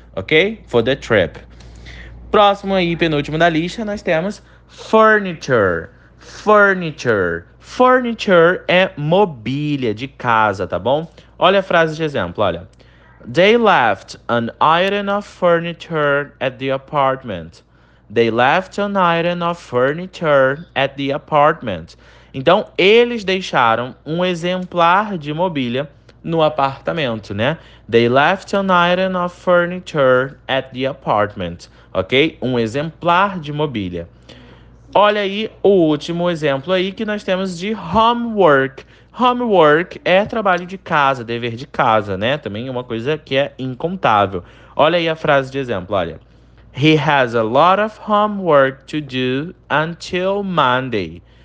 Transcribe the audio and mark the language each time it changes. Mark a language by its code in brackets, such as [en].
[en] Ok? For the trip. [pt] Próximo aí, penúltimo da lista, nós temos furniture. Furniture. Furniture é mobília de casa, tá bom? Olha a frase de exemplo, olha. [en] They left an item of furniture at the apartment. They left an item of furniture at the apartment. [pt] Então, eles deixaram um exemplar de mobília no apartamento, né? [en] They left an item of furniture at the apartment. [pt] Ok? Um exemplar de mobília. Olha aí o último exemplo aí que nós temos de homework. Homework é trabalho de casa, dever de casa, né? Também é uma coisa que é incontável. Olha aí a frase de exemplo, olha. [en] He has a lot of homework to do until Monday.